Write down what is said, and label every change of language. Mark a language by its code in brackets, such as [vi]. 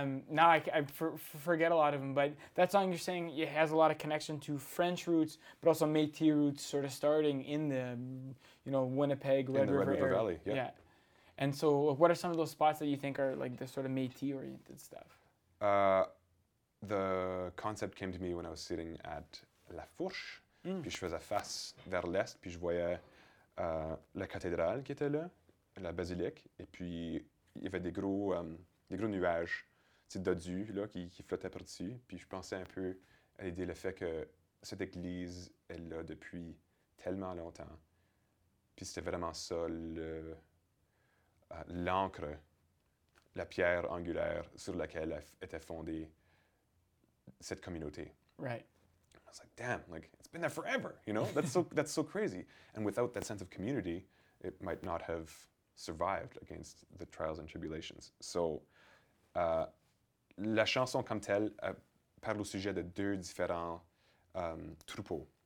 [en] Now I forget a lot of them, but that song you're saying, it has a lot of connection to French roots, but also Métis roots, sort of starting in the, you know, Winnipeg, Red River Valley. Yep. Yeah. And so what are some of those spots that you think are like the sort of Métis oriented stuff? The concept came to me when I was sitting at La Fourche, [fr] puis je faisais face vers l'est, puis je voyais la cathédrale qui était là, la basilique, et puis il y avait des gros nuages, des dodus là qui flottaient par-dessus, puis je pensais un peu à l'idée le fait que cette église est là depuis tellement longtemps, puis c'était vraiment ça l'encre, la pierre angulaire sur laquelle était fondée cette communauté. [en] Right. And I was like, damn, like it's been there forever, you know? That's so crazy. And without that sense of community, it might not have survived against the trials and tribulations. [fr] So, la chanson comme telle parle au sujet de deux différents troupeaux.